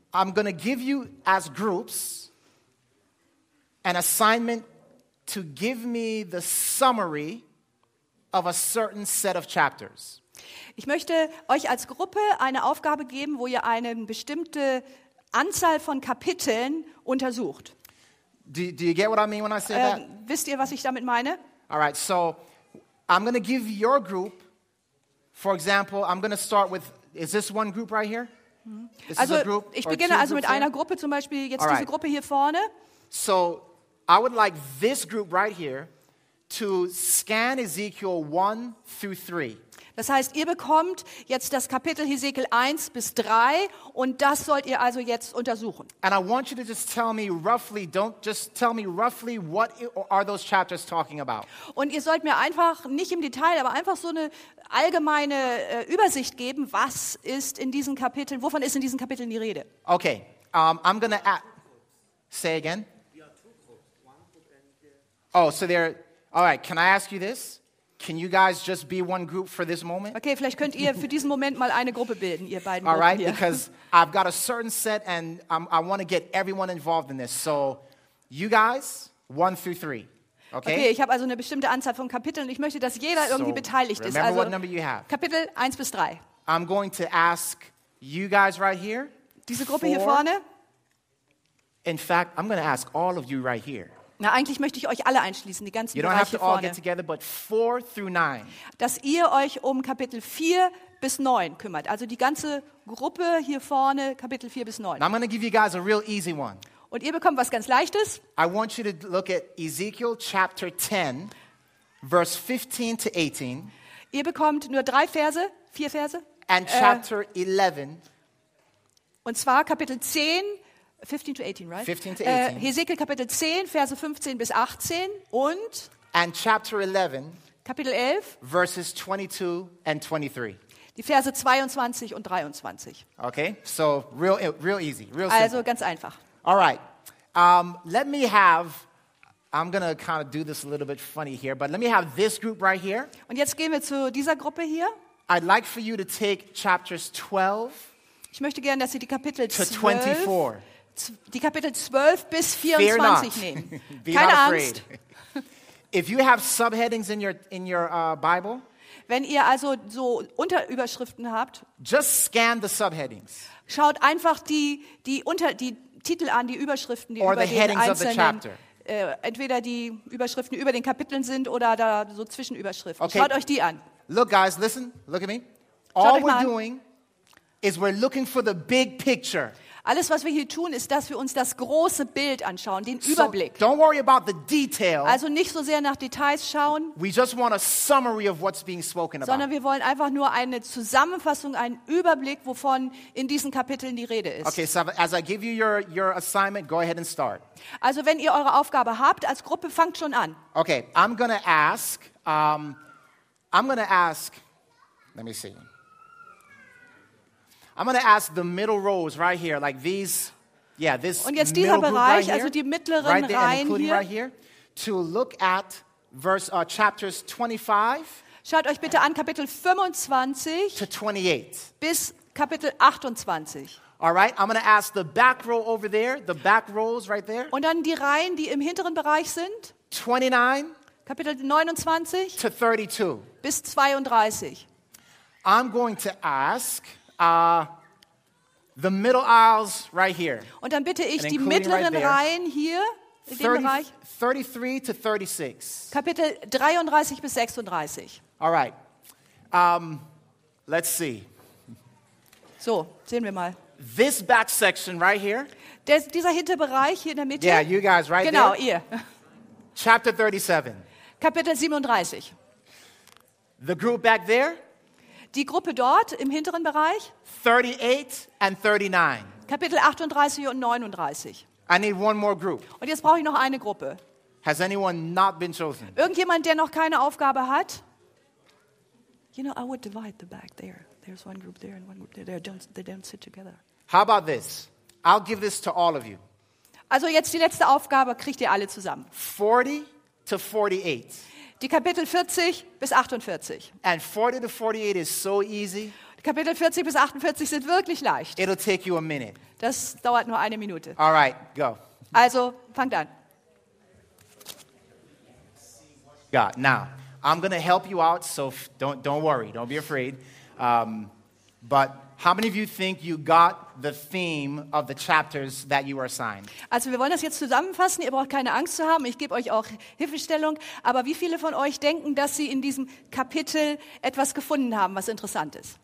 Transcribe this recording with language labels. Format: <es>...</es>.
<en>I'm going to give you as groups an assignment to give me the summary of a certain set of chapters.</en> <de>Ich möchte euch als Gruppe eine Aufgabe geben, wo ihr eine bestimmte Anzahl von Kapiteln untersucht.</de> <en>Do you get what I mean when I say that?</en> <de>Wisst ihr, was ich damit meine?</de> <en>All right, so I'm going to give your group, for example, I'm going to start with, is this one group right here? This also, is a group,</en> <de>ich beginne also mit einer Gruppe, zum Beispiel jetzt all diese right. Gruppe hier vorne.</de> <en>So I would like this group right here to scan Ezekiel 1 through 3.</en> <de>Das heißt, ihr bekommt jetzt das Kapitel Hesekiel 1 bis 3 und das sollt ihr also jetzt untersuchen.</de> <en>And I want you to just tell me roughly, don't just tell me roughly, what are those chapters talking about?</en> <de>Und ihr sollt mir einfach, nicht im Detail, aber einfach so eine allgemeine Übersicht geben, was ist in diesen Kapiteln, wovon ist in diesen Kapiteln die Rede?</de> <en>Okay, I'm gonna say again. Oh, so there, all right, can I ask you this? Can you guys just be one group for this moment?</en> <de>Okay, vielleicht könnt ihr für diesen Moment mal eine Gruppe bilden, ihr beiden.</de> <en>All right, because I've got a certain set and I want to get everyone involved in this. So, you guys, 1 through 3, okay?</en> <de>Okay, ich habe also eine bestimmte Anzahl von Kapiteln und ich möchte, dass jeder irgendwie beteiligt ist.</de> <en>Remember what number you have.</en> <de>Kapitel 1 bis 3.</de> <en>I'm going to ask you guys right here.</en> <de>Diese Gruppe hier vorne.</de> <en>In fact, I'm going to ask all of you right here.</en> <de>Na, eigentlich möchte ich euch alle einschließen, die ganzen Bereiche</de> <en>don't have to all get together, but 4 through 9.</en> <de>Dass ihr euch um Kapitel 4 bis 9 kümmert. Also die ganze Gruppe hier vorne, Kapitel 4 bis 9.</de> <en>Now I'm going to give you guys a real easy one.</en> <de>Und ihr bekommt was ganz Leichtes.</de> <en>I want you to look at Ezekiel chapter 10, verse 15 to 18.</en> <de>Ihr bekommt nur drei Verse, vier Verse.</de> <en>And chapter 11.</en> <de>Und zwar Kapitel 10.</de> <en>15 to 18, right? 15 to 18.</en> <de>Hesekiel Kapitel 10, Verse 15 bis 18 und</de> <en>and chapter 11,</en> <de>Kapitel 11,</de> <en>verses 22 and 23.</en> <de>Die Verse 22 und 23.</de> <en>Okay, so real easy, real simple.</en> <de>Also ganz einfach.</de> <en>All right, let me have, I'm going to kind of do this a little bit funny here, but let me have this group right here.</en> <de>Und jetzt gehen wir zu dieser Gruppe hier.</de> <en>I'd like for you to take chapters 12</en> <de>ich möchte gerne, dass ihr die Kapitel 12</de> <en>to 24.</en> <de>Die Kapitel 12 bis 24 nehmen. Keine Angst.</de> <en>If you have subheadings in your Bible,</en> <de>wenn ihr also so Unterüberschriften habt,</de> <en>just scan the subheadings.</en> <de>Schaut einfach die Titel an, die Überschriften, die</de> <en>or</en> <de>über</de> <en>the</en> <de>den einzelnen entweder die Überschriften über den Kapiteln sind oder da so Zwischenüberschriften. Okay. Schaut euch die an.</de> <en>Look guys, listen, look at me. All we're doing is we're looking for the big picture.</en> <de>Alles, was wir hier tun, ist, dass wir uns das große Bild anschauen, den Überblick.</de> <en>So don't worry about the detail.</en> <de>Also nicht so sehr nach Details schauen,</de> <en>we just want a summary of what's being spoken</en> <de>sondern</de> <en>about.</en> <de>Wir wollen einfach nur eine Zusammenfassung, einen Überblick, wovon in diesen Kapiteln die Rede ist.</de> <en>Okay, so as I give you your assignment, go ahead and start.</en> <de>Also wenn ihr eure Aufgabe habt als Gruppe, fangt schon an.</de> <en>Okay, I'm gonna ask, let me see. I'm going to ask the middle rows right here, like these, yeah, this</en> <de>und jetzt dieser</de> <en>middle</en> <de>Bereich,</de> <en>group right here,</en> <de>also die mittleren</de> <en>right there,</en> <de>Reihen</de> <en>including</en> <de>hier,</de> <en>right here, to look at chapters 25.</en> <de>Schaut euch bitte an, Kapitel 25</de> <en>to 28.</en> <de>Bis Kapitel 28.</de> <en>All right, I'm going to ask the back row over there, the back rows right there.</en> <de>Und dann die Reihen, die im hinteren Bereich sind. 29. Kapitel 29.</de> <en>To 32.</en> <de>Bis 32.</de> <en>I'm going to ask the middle aisles right here.</en> <de>Und dann bitte ich die mittleren</de> <en>right there,</en> <de>Reihen hier in 30, dem Bereich.</de> <en>33 to 36.</en> <de>Kapitel 33 bis 36.</de> <en>All right. Let's see.</en> <de>So, sehen wir mal.</de> <en>This back section right here.</en> <de>Dieser Hinterbereich hier in der Mitte.</de> <en>Yeah, you guys right</en> <de>genau,</de> <en>there.</en> <de>Genau, ihr.</de> <en>Chapter 37.</en> <de>Kapitel 37.</de> <en>The group back there.</en> <de>Die Gruppe dort im hinteren Bereich.</de> <en>38 and 39.</en> <de>Kapitel 38 und 39.</de> <en>I need one more group.</en> <de>Und jetzt brauche ich noch eine Gruppe.</de> <en>Has anyone not been chosen?</en> <de>Irgendjemand, der noch keine Aufgabe hat?</de> <en>You know, I would divide the back there. There's one group there and one group there. They don't sit together. How about this? I'll give this to all of you.</en> <de>Also jetzt die letzte Aufgabe kriegt ihr alle zusammen.</de> <en>40 to 48.</en> <de>Die Kapitel 40 bis 48.</de> <en>And 40 to 48 is so easy.</en> <de>Kapitel 40 bis 48 sind wirklich leicht.</de> <en>It'll take you a minute.</en> <de>Das dauert nur eine Minute.</de> <en>All right, go.</en> <de>Also, fangt an.</de> <en>God, now, I'm going to help you out, so don't worry, don't be afraid. But how many of you think you got the theme of the chapters that you are assigned?</en> <de>Also, wir wollen das jetzt zusammenfassen. Ihr braucht keine Angst zu haben. Ich gebe euch auch Hilfestellung. Aber wie viele von euch denken, dass sie in diesem Kapitel etwas gefunden haben, was interessant ist?</de>